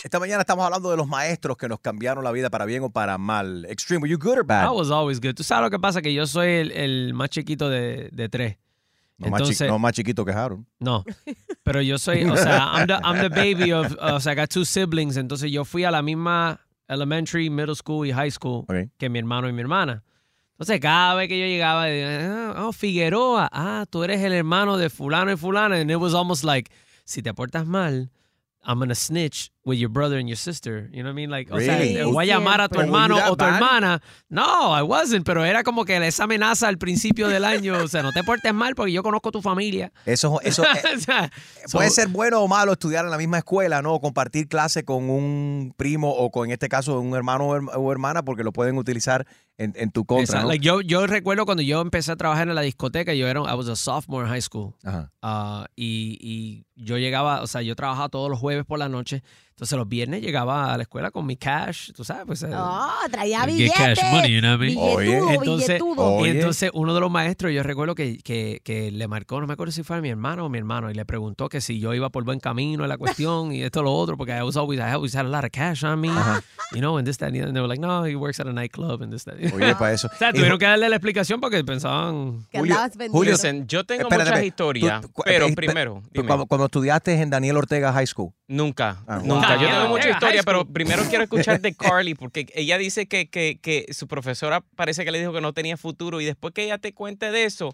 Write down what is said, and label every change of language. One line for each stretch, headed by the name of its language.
Spanish: Esta mañana estamos hablando de los maestros que nos cambiaron la vida para bien o para mal.
English: Extreme, were you good or bad? I was always good.
Spanish: ¿Tú sabes lo que pasa? Que yo soy el más chiquito de tres. No, más chiquito que Harold. No. Pero yo soy, o sea,
English: I'm the baby of,
Spanish: o sea,
English: I got two siblings.
Spanish: Entonces yo fui a la misma elementary, middle school y high school que mi hermano y mi hermana. Entonces, cada vez que yo llegaba, oh, Figueroa, ah, tú eres el hermano de fulano y fulana.
English: And it was almost like,
Spanish: si te portas mal,
English: I'm going to snitch with your brother and your sister. You know what I mean? Like, really?
Spanish: O sea, voy a llamar a tu hermano o tu hermana.
English: No, I wasn't.
Spanish: Pero era como que esa amenaza al principio del año. O sea, no te portes mal porque yo conozco tu familia. Eso puede ser bueno o malo estudiar en la misma escuela, ¿no? O compartir clase con un primo o con, en este caso, un hermano o hermana porque lo pueden utilizar en tu contra, ¿no? Like, yo recuerdo cuando yo empecé a trabajar en la discoteca,
English: I was a sophomore in high school.
Spanish: Ajá. Y yo llegaba, o sea, yo trabajaba todos los jueves por la noche. Entonces los viernes llegaba a la escuela con mi cash, tú sabes, pues. Ah, traía billetes.
English: Get cash money, you know what I mean?
Spanish: Entonces uno de los maestros, yo recuerdo que le marcó, no me acuerdo si fue a mi hermano o mi hermano, y le preguntó que si yo iba por buen camino en la cuestión y esto lo otro, porque
English: I always had a lot of cash on me. Uh-huh. You know, and this, that, and they were like, no, he works at a nightclub and this, that.
Spanish: Oye, para eso. O sea, tuvieron que darle la explicación porque pensaban. Julio, listen, yo tengo muchas historias, pero primero. Cuando estudiaste en Daniel Ortega High School. Nunca, nunca. Yo tengo mucha historia, pero primero quiero escuchar de Carly, porque ella dice que su profesora parece que le dijo que no tenía futuro, y después que ella te cuente de eso,